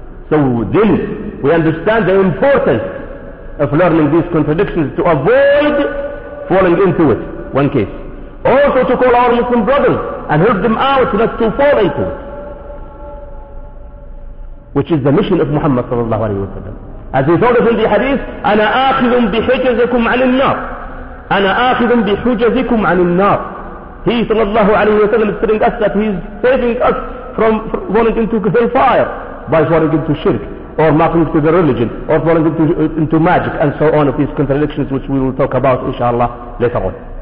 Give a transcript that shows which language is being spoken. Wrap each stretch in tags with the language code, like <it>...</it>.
<en>So then we understand the importance of learning these contradictions to avoid falling into it. One case. Also to call our Muslim brothers and help them out not to fall into it. Which is the mission of Muhammad sallallahu alayhi wa sallam. As he told us in the hadith,</en> <ar>أَنَا آخِذٌ بِحُجَزِكُمْ عَنِ النَّارِ أَنَا آخِذٌ بِحُجَزِكُمْ عَنِ النَّارِ.</ar> <en>He sallallahu alayhi wa sallam is telling us that he is saving us from falling into hellfire by falling into shirk or mocking to the religion or falling into magic and so on of these contradictions which we will talk about inshallah later on.</en>